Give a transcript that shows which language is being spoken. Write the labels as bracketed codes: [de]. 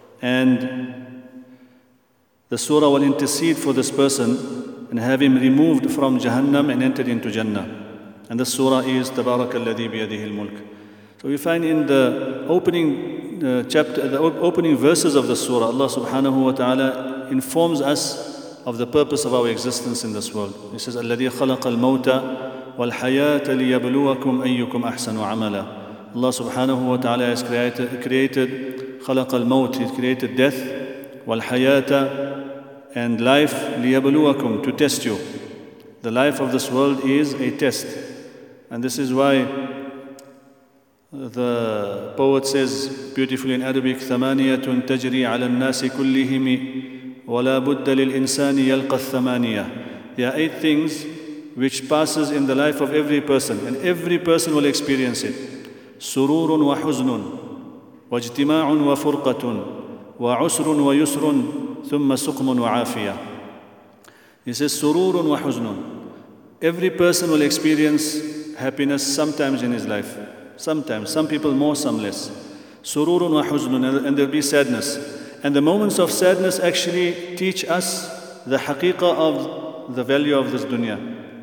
[en] And the surah will intercede for this person and have him removed from Jahannam and entered into Jannah. And the surah is Tabaraka alladhi biyadihi al-mulk. So we find in the opening opening verses of the surah, Allah subhanahu wa ta'ala informs us of the purpose of our existence in this world. He says, [ar] الَّذِي خَلَقَ الْمَوْتَ وَالْحَيَاةَ لِيَبْلُوَكُمْ أَيُّكُمْ أَحْسَنُ عَمَلًا. [en] Allah subhanahu wa ta'ala has created [ar] خَلَقَ الْمَوْتِ, [en] He created death, وَالْحَيَاةَ and life, لِيَبْلُوَكُمْ, to test you. The life of this world is a test. And this is why the poet says beautifully in Arabic, [ar] ثَمَانِيَةٌ تَجْرِي عَلَى النَّاسِ كُلِّهِمِ وَلَا بُدَّ لِلْإِنسَانِ يَلْقَ الثَّمَانِيَةِ. [en] There are 8 things which passes in the life of every person, and every person will experience it. [ar] سُرُورٌ وَحُزْنٌ وَاجْتِمَاعٌ وَفُرْقَةٌ وَعُسْرٌ وَيُسْرٌ ثُمَّ سُقْمٌ وَعَافِيَةٌ. [en] He says, [ar] سُرُورٌ وَحُزْنٌ. [en] Every person will experience happiness sometimes in his life. Sometimes. Some people more, some less. [ar] سُرُورٌ وَحُزْنٌ. [en] And there'll be sadness. And the moments of sadness actually teach us the haqiqah of the value of this dunya.